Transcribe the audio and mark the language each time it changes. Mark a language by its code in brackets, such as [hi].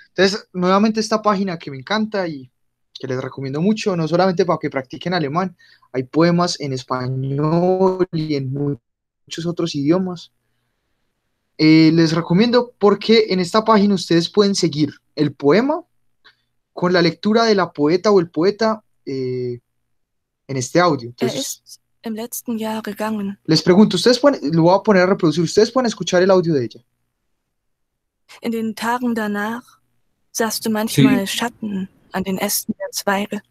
[es] Entonces, nuevamente esta página que me encanta y que les recomiendo mucho, no solamente para que practiquen alemán, hay poemas en español y en muchos otros idiomas. Les recomiendo porque en esta página ustedes pueden seguir el poema con la lectura de la poeta o el poeta en este audio. [de] Entonces, im letzten Jahr gegangen. [es] Les pregunto, ustedes pueden, lo voy a poner a reproducir, ustedes pueden escuchar el audio de ella. [de] In den Tagen danach sahst du manchmal sí. Schatten an den Ästen der Zweige.